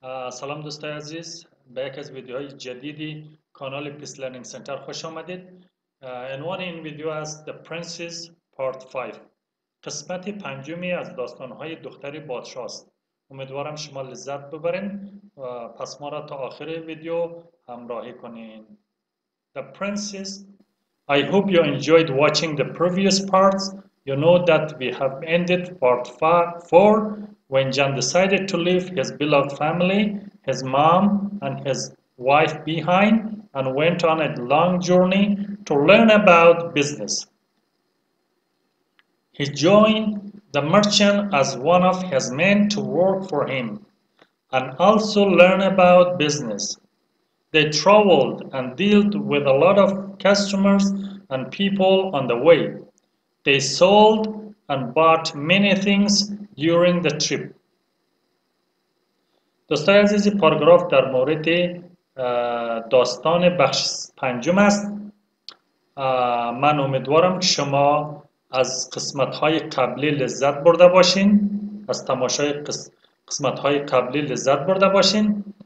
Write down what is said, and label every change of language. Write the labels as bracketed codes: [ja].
[fa] سلام دوستای عزیز، به یک از ویدیوهای جدیدی کانال Peace Learning Center خوش آمدید. عنوان این ویدیو است The Princess Part 5. قسمت پنجمی از داستانهای دختر بادشاه است. امیدوارم شما لذت ببرین و پس ما را تا آخر ویدیو همراهی کنین. [en] The Princess. I hope you enjoyed watching the previous parts. You know that we have ended part 4 when Jan decided to leave his beloved family, his mom and his wife behind and went on a long journey to learn about business. He joined the merchant as one of his men to work for him and also learn about business. They traveled and dealt with a lot of customers and people on the way. They sold and bought many things during the trip. [fa] دوستای عزیز، پاراگراف در مورد داستان بخش پنجم است. من امیدوارم که شما از قسمت‌های قبلی لذت برده باشین، از تماشای قسمت‌های قبلی لذت برده باشین.